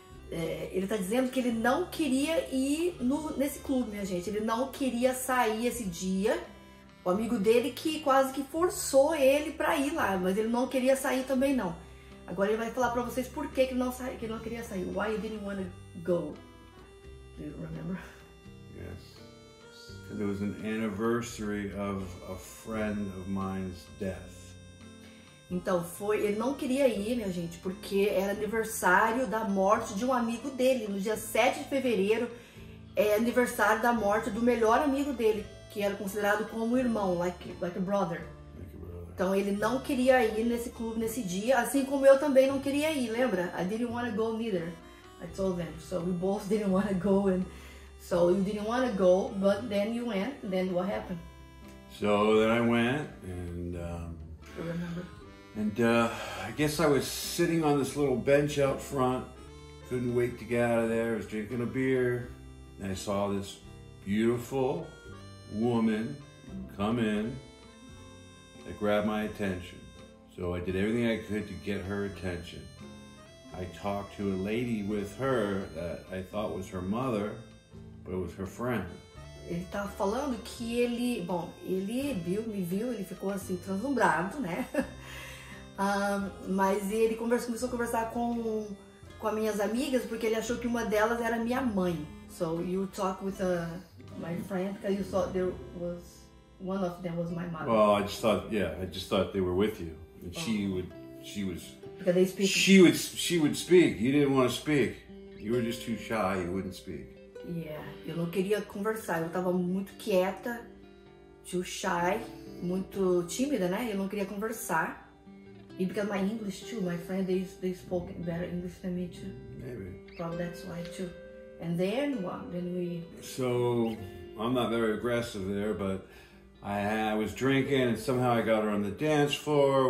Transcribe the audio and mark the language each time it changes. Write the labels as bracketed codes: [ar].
[pt] Ele tá dizendo que ele não queria ir nesse clube, minha gente. Ele não queria sair esse dia. O amigo dele que quase que forçou ele pra ir lá, mas ele não queria sair também, não. Agora ele vai falar pra vocês por que ele não queria sair. [en] Why you didn't want to go? Do you remember? Yes. There was an anniversary of a friend of mine's death. [pt] Então, ele não queria ir, minha gente, porque era aniversário da morte de um amigo dele. No dia 7 de fevereiro, é aniversário da morte do melhor amigo dele, que era considerado como irmão, [en] like a brother. [pt] Então, ele não queria ir nesse clube nesse dia, assim como eu também não queria ir, lembra? [en] I didn't want to go neither. I told them, so we both didn't want to go. And so, you didn't want to go, but then you went, and then what happened? So, then I went, and... I remember. And I guess I was sitting on this little bench out front, couldn't wait to get out of there, I was drinking a beer, and I saw this beautiful woman come in that grabbed my attention. So I did everything I could to get her attention. I talked to a lady with her that I thought was her mother, but it was her friend. [pt] Ele tava falando que ele, bom, ele viu, me viu, ele ficou assim, translumbrado, né? Mas ele começou a conversar com as minhas amigas porque ele achou que uma delas era minha mãe. [en] So you talk with my friend because you thought there was one of them was my mother. Well, I just thought, yeah, I just thought they were with you. And she was. Because they speak. She would speak. You didn't want to speak. You were just too shy. You wouldn't speak. [pt] Yeah, eu não queria conversar. Eu estava muito quieta, [en] too shy, [pt] muito tímida, né? Eu não queria conversar. [en] E because my English too, my friend, they spoke better English than me too. Maybe. Probably that's why too. And then what? Well, then we... So, I'm not very aggressive there, but I was drinking and somehow I got her on the dance floor.